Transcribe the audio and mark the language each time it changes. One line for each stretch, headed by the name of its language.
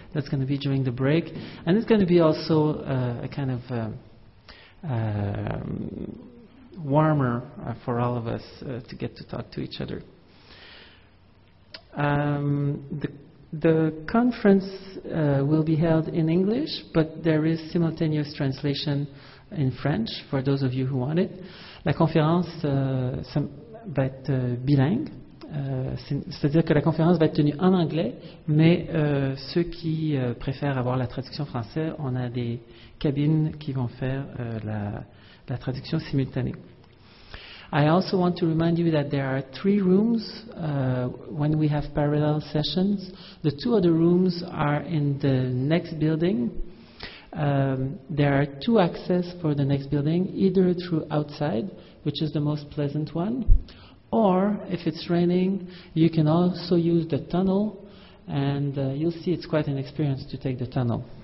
English: That's going to be during the break. And it's going to be also a kind of warmer for all of us to get to talk to each other. The conference will be held in English, but there is simultaneous translation in French for those of you who want it.
French: La conférence va être bilingue, c'est-à-dire que la conférence va être tenue en anglais, mais ceux qui préfèrent avoir la traduction française, on a des cabines qui vont faire la traduction simultanée.
English: I also want to remind you that there are three rooms when we have parallel sessions. The two other rooms are in the next building. There are two accesses for the next building, either through outside, which is the most pleasant one, or if it's raining, you can also use the tunnel, and you'll see it's quite an experience to take the tunnel.